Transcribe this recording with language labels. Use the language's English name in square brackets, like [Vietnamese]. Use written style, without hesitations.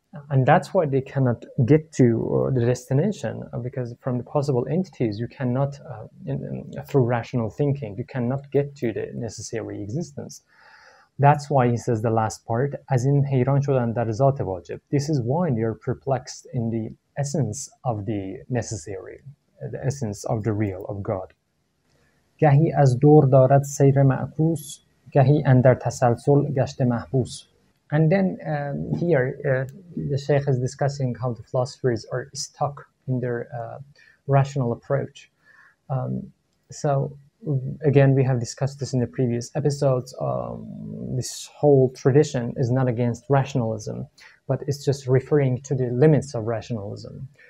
[English] And that's why they cannot get to the destination, because from the possible entities, you cannot, through rational thinking, you cannot get to the necessary existence. That's why he says the last part, as in [Persian] Heiran Shodan Dar Zat Wajib. [English] This is why you're perplexed in the essence of the necessary. The essence of the real, of God. [Persian] گهی از دور دارد سیر معکوس، گهی اندر تسلسل گشت محبوس. [English] And then here the Shaykh is discussing how the philosophers are stuck in their rational approach. So again, we have discussed this in the previous episodes. This whole tradition is not against rationalism, but it's just referring to the limits of rationalism.